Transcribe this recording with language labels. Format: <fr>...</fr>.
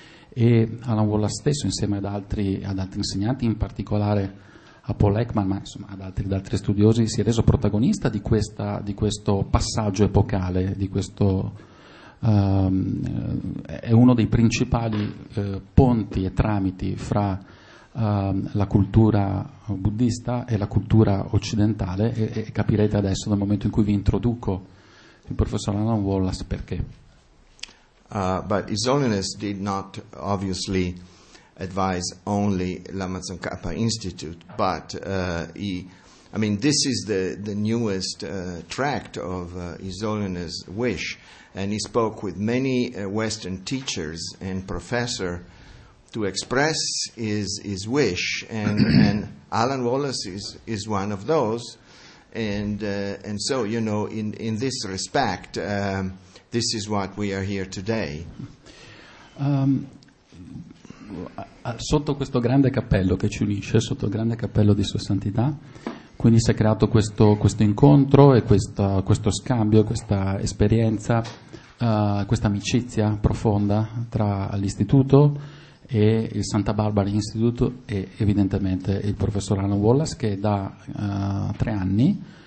<it>E Alan Wallace stesso, insieme ad altri insegnanti, in particolare a Paul Ekman, ma insomma ad altri studiosi, si è reso protagonista di questo passaggio epocale, di questo è uno dei principali ponti e tramiti fra la cultura buddista e la cultura occidentale, e capirete adesso, dal momento in cui vi introduco il professor Alan Wallace, perché.</it> <en>But His Holiness did not obviously advise only Lama Tsongkhapa Institute, but this is the newest tract of His Holiness' wish, and he spoke with many Western teachers and professor to express his wish, and and Alan Wallace is one of those, and so, you know, in this respect, this is what we are here today.</en> <it>Sotto questo grande cappello che ci unisce, sotto il grande cappello di Sua Santità, quindi si è creato questo incontro e questo scambio, questa esperienza, questa amicizia profonda tra l'Istituto e il Santa Barbara Institute e evidentemente il professor Alan Wallace, che da 3 anni</it>